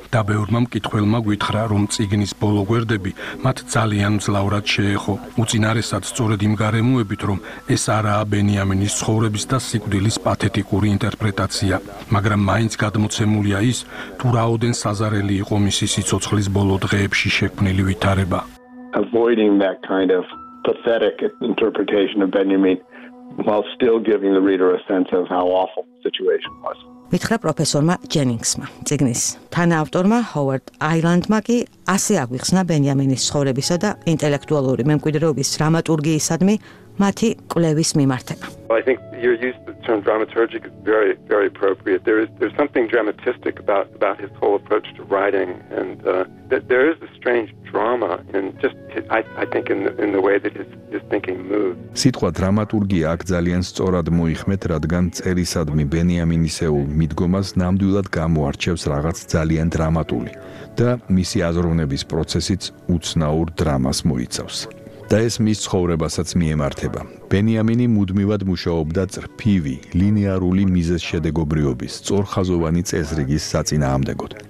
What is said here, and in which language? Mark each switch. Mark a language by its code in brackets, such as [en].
[ka] და ბევრმა მკითხველმა გვითხრა, რომ წიგნის ბოლო გვერდები მათ ძალიან მძლავრად შეეხო. უწინარესად სწორედ იმ გარემოებით, რომ ეს არაა ბენიამინის ცხოვრების და სიკვდილის პათეტიკური ინტერპრეტაცია. მაგრამ მაინც გადმოცემულია ის, თუ რაოდენ საზარელი იყო მისი სიცოცხლის ბოლო დღეებში შექმნილი ვითარება. [en] Avoiding that kind of pathetic interpretation of Benjamin while still giving the reader a sense of how awful the situation was. [ka] მითხრა პროფესორმა ჯენინგსმა წიგნის თანაავტორმა ჰოვარდ აილანდმა კი ასე აგვიხსნა ბენიამინის ცხოვრებისა და ინტელექტუალური მემკვიდრეობის დრამატურგიისადმი მათი კვლევის მიმართება. [en] I think you used the term dramaturgic is very very appropriate. There's something dramatistic about his whole approach to writing and that there is a strange drama and just I think in the way that his thinking moves. [ka] სიტყვა დრამატურგია აქ ძალიან სწორად მოიხმეთ, რადგან წერისადმი ბენიამინისეულ მიდგომას ნამდვილად გამოარჩევს რაღაც ძალიან დრამატული და მისი აზროვნების პროცესიც უცნაურ დრამას მოიცავს. და ეს მის ცხოვრებასაც მიემართება. ბენიამინი მუდმივად მუშაობდა წრფივი, ლინეარული მიზეზშედეგობრიობის, სწორხაზოვანი წესრიგის საწინააღმდეგოდ.